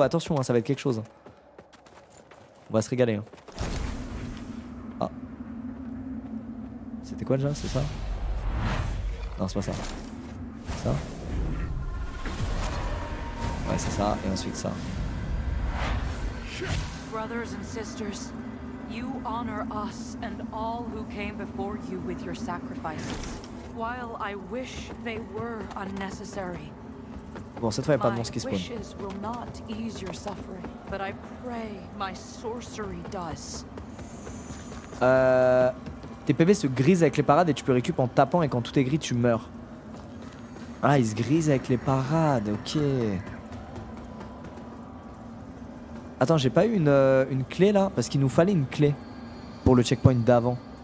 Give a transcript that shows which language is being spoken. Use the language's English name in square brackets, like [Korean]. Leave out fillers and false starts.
[French] Attention, hein, ça va être quelque chose. On va se régaler. Hein. Ah. C'était quoi déjà? C'est ça? Non, c'est pas ça. C'est ça? Ouais, c'est ça, et ensuite ça. [English] Brothers and sisters, you honor us and all who came before you with your sacrifices. while I wish they were unnecessary. [French] Bon, cette fois, y a pas de monstre qui spawn. [English] My wishes will not ease your suffering, but I pray my sorcery does. [French] Tes PV se grisent avec les parades et tu peux récup en tapant et quand tout est gris, tu meurs. Ah, ils se grisent avec les parades, ok. Attends, j'ai pas eu une clé là ? Parce qu'il nous fallait une clé pour le checkpoint d'avant.